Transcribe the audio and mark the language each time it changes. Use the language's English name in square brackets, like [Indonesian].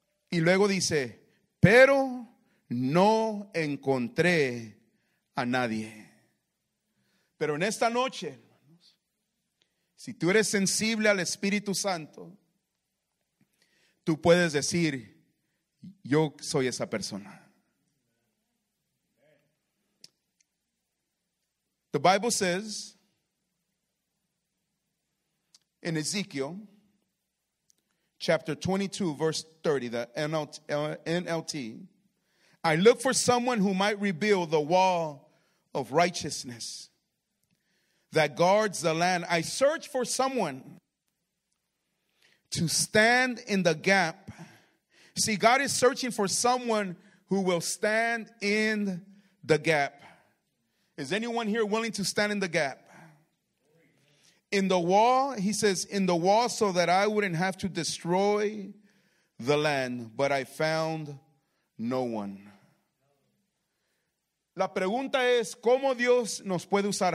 [Spanish] Y luego dice, pero no encontré a nadie. Pero en esta noche, hermanos, si tú eres sensible al Espíritu Santo, tú puedes decir, yo soy esa persona. [English] The Bible says, in Ezekiel, chapter 22, verse 30, the NLT, I look for someone who might rebuild the wall of righteousness that guards the land. I search for someone to stand in the gap. See, God is searching for someone who will stand in the gap. Is anyone here willing to stand in the gap? In the wall, he says, in the wall so that I wouldn't have to destroy the land. But I found no one. [Spanish] La pregunta es, ¿cómo Dios nos puede usar?